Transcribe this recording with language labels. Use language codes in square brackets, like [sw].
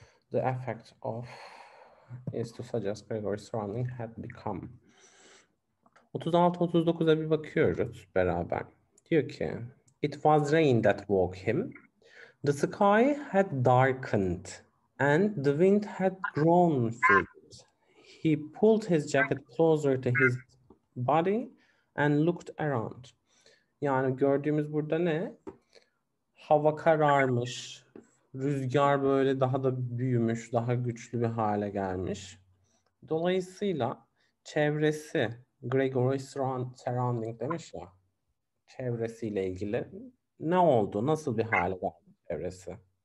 [en] The effect of is to suggest Gregory's surrounding had become. [tr] 36-39'a bir bakıyoruz beraber. Diyor ki, [en] it was rain that woke him. The sky had darkened and the wind had grown frigid. He pulled his jacket closer to his body and looked around. [tr] Yani gördüğümüz burada ne? Hava kararmış. Rüzgar böyle daha da büyümüş, daha güçlü bir hale gelmiş. Dolayısıyla çevresi, [en] Gregory surrounding [tr] demiş ya, çevresiyle ilgili ne oldu, nasıl bir hale geldi çevresi?